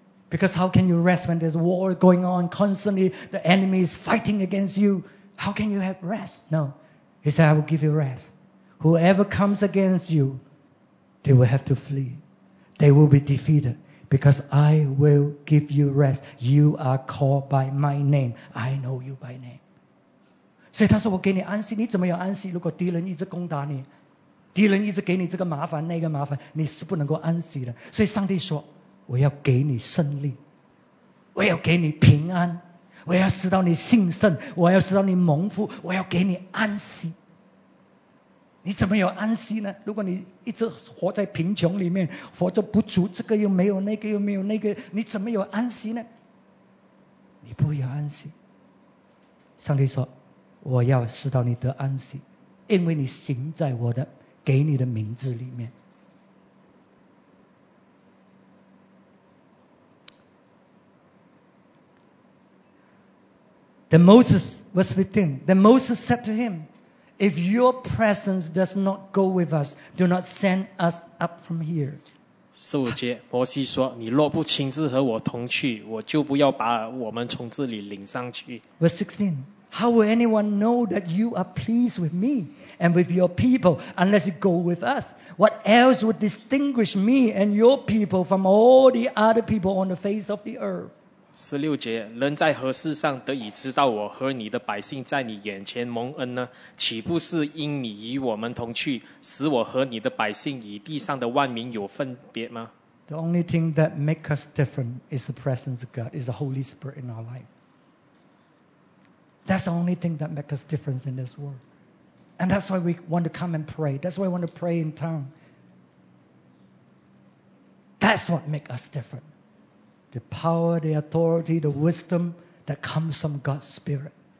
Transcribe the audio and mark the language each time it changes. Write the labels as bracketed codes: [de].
[en] Because how can you rest when there's war going on constantly, the enemy is fighting against you? How can you have rest? No. He said, I will give you rest. Whoever comes against you, they will have to flee. They will be defeated. Because I will give you rest. You are called by my name. I know you by name. [zh] 所以他说我给你安息，你怎么有安息？如果敌人一直攻打你，敌人一直给你这个麻烦那个麻烦，你是不能够安息的。所以上帝说，我要给你胜利，我要给你平安，我要使到你兴盛，我要使到你蒙福，我要给你安息。你怎么有安息呢？如果你一直活在贫穷里面，活着不足，这个又没有，那个又没有，那个你怎么有安息呢？你不会有安息。上帝说，我要使到你得安息，因为你行在我的给你的名字里面。 [en] Then Moses, verse 15, then Moses said to him, if your presence does not go with us, do not send us up from here. [zh] 十五节，摩西说，你若不亲自和我同去，我就不要把我们从这里领上去。 [en] Verse 16, how will anyone know that you are pleased with me and with your people unless you go with us? What else would distinguish me and your people from all the other people on the face of the earth? [zh] 十六节，人在何事上得以知道我和你的百姓在你眼前蒙恩呢？岂不是因你与我们同去，使我和你的百姓与地上的万民有分别吗？ [en] The only thing that makes us different is the presence of God, is the Holy Spirit in our life. That's the only thing that makes us different in this world. And that's why we want to come and pray. That's why we want to pray in tongues. That's what makes us different. The power, the authority, the wisdom that comes from God's Spirit.